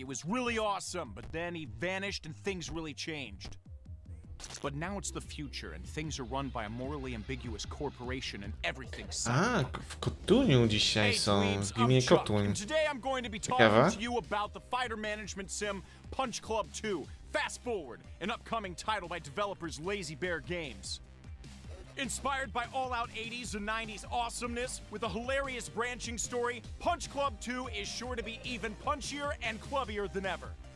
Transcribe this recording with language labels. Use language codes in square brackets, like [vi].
[en] It was really awesome, but then he vanished and things really changed. But now it's the future, and things are run by a morally ambiguous corporation, and everything's sad. [pl] W Kotuniu dzisiaj są, w gminie Kotuń. [en] Today I'm going to be talking to you about the fighter management sim Punch Club 2, Fast Forward, an upcoming title by developers Lazy Bear Games. Inspired by all-out 80s and 90s awesomeness, with a hilarious branching story, Punch Club 2 is sure to be even punchier and clubbier than ever.